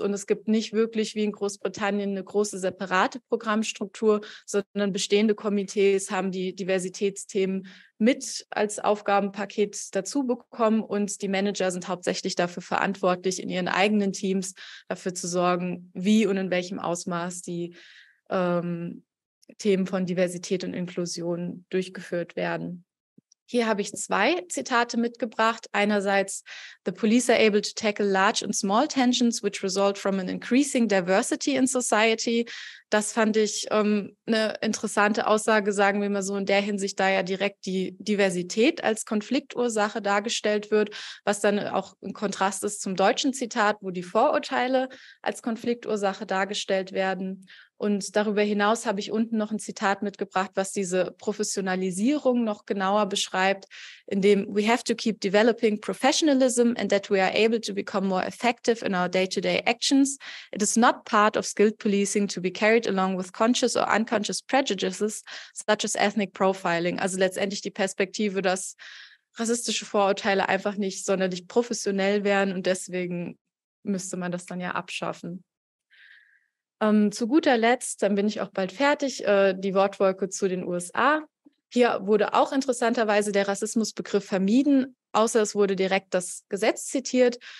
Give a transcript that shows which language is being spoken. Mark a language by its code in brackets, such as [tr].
[de] Und es gibt nicht wirklich wie in Großbritannien eine große separate Programmstruktur, sondern bestehende Komitees haben die Diversitätsthemen mit als Aufgabenpaket dazu bekommen. Und die Manager sind hauptsächlich dafür verantwortlich, in ihren eigenen Teams dafür zu sorgen, wie und in welchem Ausmaß die Themen von Diversität und Inklusion durchgeführt werden. Hier habe ich zwei Zitate mitgebracht. Einerseits, [en] the police are able to tackle large and small tensions, which result from an increasing diversity in society. [de] Das fand ich eine interessante Aussage, sagen wir mal so, in der Hinsicht, da ja direkt die Diversität als Konfliktursache dargestellt wird, was dann auch ein Kontrast ist zum deutschen Zitat, wo die Vorurteile als Konfliktursache dargestellt werden. Und darüber hinaus habe ich unten noch ein Zitat mitgebracht, was diese Professionalisierung noch genauer beschreibt, in dem [en] we have to keep developing professionalism and that we are able to become more effective in our day-to-day actions. It is not part of skilled policing to be carried along with conscious or unconscious prejudices, such as ethnic profiling. [de] Also letztendlich die Perspektive, dass rassistische Vorurteile einfach nicht sonderlich professionell wären und deswegen müsste man das dann ja abschaffen. Zu guter Letzt, dann bin ich auch bald fertig, die Wortwolke zu den USA. Hier wurde auch interessanterweise der Rassismusbegriff vermieden, außer es wurde direkt das Gesetz zitiert.